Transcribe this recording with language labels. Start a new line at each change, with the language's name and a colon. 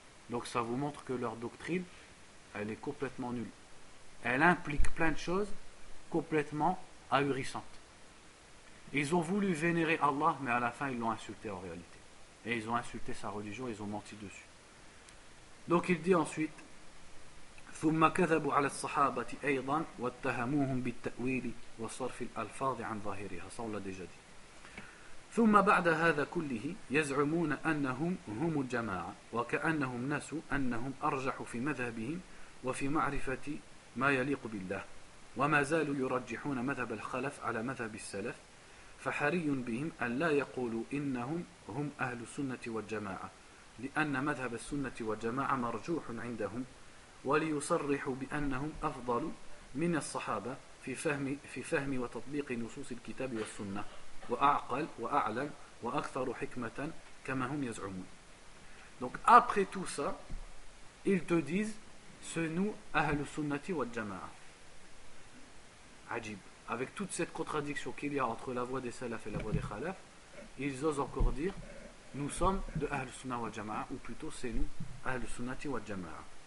French: Donc ça vous montre que leur doctrine, elle est complètement nulle. Elle implique plein de choses complètement ahurissantes. Ils ont voulu vénérer Allah, mais à la fin, ils l'ont insulté en réalité. Et ils ont insulté sa religion, ils ont menti dessus. Donc il dit ensuite,
Arabic: « ثُمَّ كَذَبُوا عَلَى الصَّحَابَةِ أَيْضًا وَاتَّهَمُوهُمْ بِالتَّأْوِيلِ وَصَرْفِ الْأَلْفَاظِ عَنْ ظَاهِرِهَا »
French: Ça, on l'a déjà dit.
Arabic: « ثُمَّ بَعْدَ هَذَا كُلِّهِ يَزْعُمُونَ أَنَّهُمْ هُمُ الْجَمَاعَ وَكَأَنَّهُمْ نَسُوا أَنَّهُمْ أَرْجَحُ فِي مَذَهَبِهِمْ وَفِي مَعْرِفَةِ مَا يَلِيقُ بِاللَّهِ وَمَا زَالُوا يُرَجِّحُونَ مَذَهَبَ الْخَلَفِ عَلَى مَذَهَبِ السَّلَفِ فحري بهم أن لا يقولوا إنهم هم أهل السنة والجماعة لأن مذهب السنة والجماعة مرجوح عندهم وليصرحوا بأنهم أفضل من الصحابة في فهم وتطبيق نصوص الكتاب والسنة وأعقل وأعلم وأكثر حكمة كما هم يزعمون.
French: Donc après tout ça, ils te disent ce nous
Arabic: أهل السنة والجماعة. عجيب.
French: Avec toute cette contradiction qu'il y a entre la voix des salafs et la voix des khalafs, ils osent encore dire nous sommes de Ahl Sunnah wa Jama'a, ou plutôt c'est nous, Ahl Sunnati wa Jama'a.